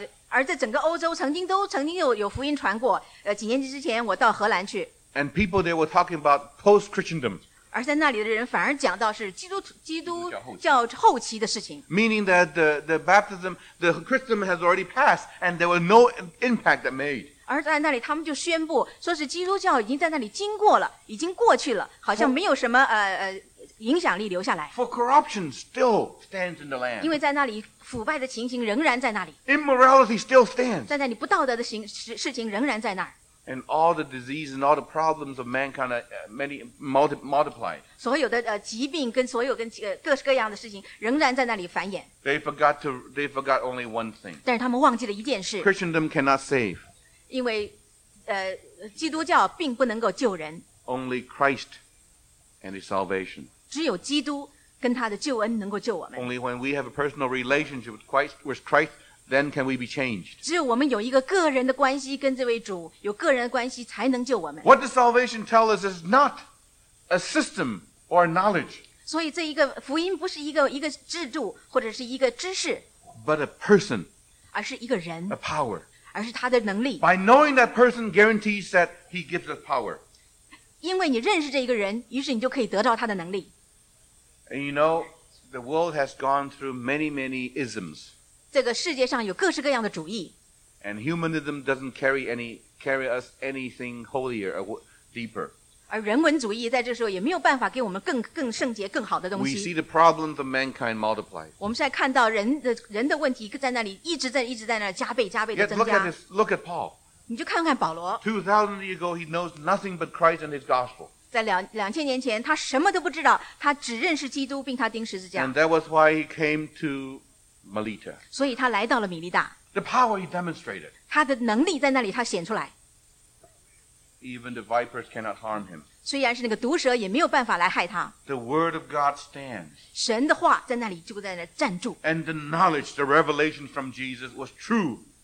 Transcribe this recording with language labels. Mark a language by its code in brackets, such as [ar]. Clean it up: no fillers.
[zh] 而在整个欧洲曾经有福音传过，几年之前我到荷兰去。 [en] And people there were talking about post-Christendom. [zh] 而在那里的人反而讲到是基督教后期的事情。 [en] Meaning that the baptism, the Christendom has already passed and there was no impact that made. [zh] 而在那里他们就宣布说是基督教已经在那里经过了已经过去了好像没有什么影响力留下来。 [en] For corruption still stands in the land. [zh] 因为在那里腐败的情形仍然在那里。 [en] Immorality still stands. [zh] 在那里不道德的事情仍然在那儿。 [en] And all the disease and all the problems of mankind are many multiplied. [zh] 所有的疾病跟所有跟各式各样的事情仍然在那里繁衍。 [en] They forgot only one thing. [zh] 但是他们忘记了一件事。 [en] Christendom cannot save. [zh] 因为基督教并不能够救人 [en] Only Christ and his salvation [zh] 只有基督跟他的救恩能够救我们 [en] Only when we have a personal relationship with Christ then can we be changed [zh] 只有我们有一个个人的关系跟这位主有个人的关系才能救我们 [en] What does salvation tell us is not a system or knowledge [zh] 所以这一个福音不是一个制度或者是一个知识 [en] But a person [zh] 而是一个人 [en] A power [zh] 而是他的能力。 [en] By knowing that person guarantees that he gives us power. [zh] 因为你认识这一个人，于是你就可以得到他的能力。 [en] And you know, the world has gone through many, many isms. [zh] 这个世界上有各式各样的主义。 [en] And humanism doesn't carry us anything holier or deeper. [zh] 而人文主义在这时候也没有办法给我们更圣洁、更好的东西。 [en] We see the problems of mankind multiply. [zh] 我们现在看到人的问题在那里一直在那加倍、加倍的增加。 [en] Yet look at Paul. [zh] 你就看看保罗。 [en] 2,000 years ago, he knows nothing but Christ and his gospel. [zh] 在2,000年前，他什么都不知道，他只认识基督，并他钉十字架。 [en] And that was why he came to Melita. [zh] 所以他来到了米利大。 [en] The power he demonstrated. [zh] 他的能力在那里，他显出来。 [en] Even the vipers cannot harm him. [zh] 虽然是那个毒蛇也没有办法来害他。 [en] The word of God stands. [zh] 神的话在那里就在那站住。 [en] And the knowledge, the revelation from Jesus was true.